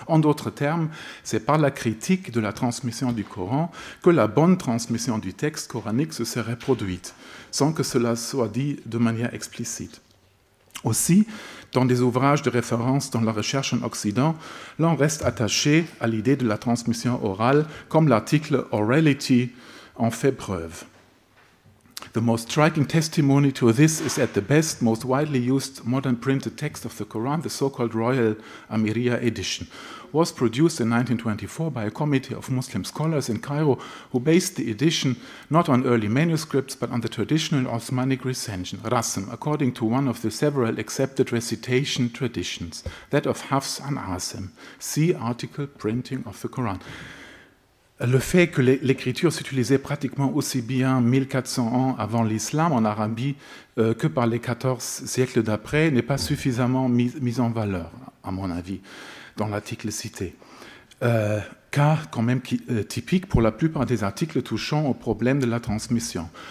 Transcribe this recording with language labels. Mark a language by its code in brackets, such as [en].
[fr] En d'autres termes, c'est par la critique de la transmission du Coran que la bonne transmission du texte coranique se serait produite, sans que cela soit dit de manière explicite. Aussi, dans des ouvrages de référence dans la recherche en Occident, l'on reste attaché à l'idée de la transmission orale, comme l'article Orality en fait preuve. [en] The most striking testimony to this is at the best most widely used modern printed text of the Quran, the so-called Royal Amiriya edition, was produced in 1924 by a committee of Muslim scholars in Cairo who based the edition not on early manuscripts but on the traditional Osmanic recension, Rasm, according to one of the several accepted recitation traditions, that of Hafs an Asim. See article printing of the Quran. [fr] Le fait que l'écriture s'utilisait pratiquement aussi bien 1400 ans avant l'islam en Arabie que par les 14 siècles d'après n'est pas suffisamment mis en valeur, à mon avis, dans l'article cité. Cas quand même typique pour la plupart des articles touchant au problème de la transmission.